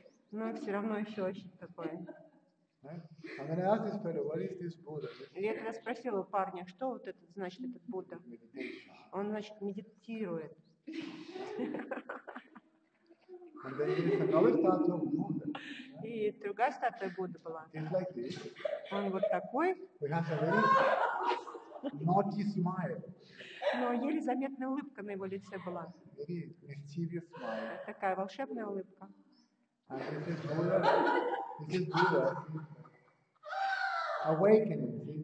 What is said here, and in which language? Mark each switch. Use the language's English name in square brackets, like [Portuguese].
[Russian] Но все равно еще очень такой. [English] And then I asked this fellow, what is this Buddha? [Russian] Я тогда спросила у парня, что вот это значит этот Будда? Он значит медитирует. [English] And then there is another statue of Buddha. [Russian] И другая статуя Будды была. [English] It's like this. [Russian] Он вот такой. [English] He has a very naughty smile. [Russian] Но еле заметная улыбка на его лице была. [English] Very mischievous smile. [Russian] Такая волшебная улыбка. [English] And this is Buddha. This is Buddha. Awakening.